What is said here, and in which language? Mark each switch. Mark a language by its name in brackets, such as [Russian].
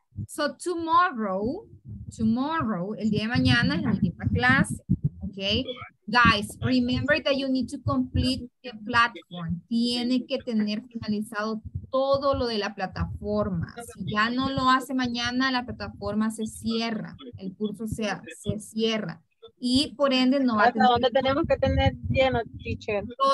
[English] So tomorrow, [Spanish] el día de mañana es la última clase. [English] Okay. Guys, remember that you need to complete the platform. [Spanish] Tiene que tener finalizado todo lo de la plataforma. Si ya no lo hace mañana, la plataforma se cierra. El curso se cierra. Y por ende no va a tener... ¿Dónde tenemos que tener lleno, teacher?